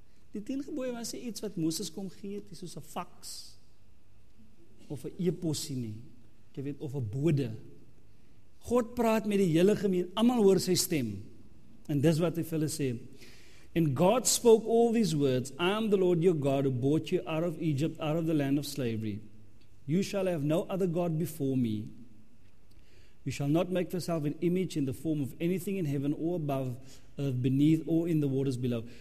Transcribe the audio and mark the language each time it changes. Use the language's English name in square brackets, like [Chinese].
[Afrikaans] Die 10 gebooie was nie iets wat Moses kom gee, het is soos een fax, of een eposie nie, jy weet, of een bode. God praat met die hele gemeen, allemaal hoor sy stem, en dis wat hy vir hulle sê. [English] And God spoke all these words, I am the Lord your God who brought you out of Egypt, out of the land of slavery. You shall have no other God before me. You shall not make yourself an image in the form of anything in heaven or above, earth beneath, or in the waters below.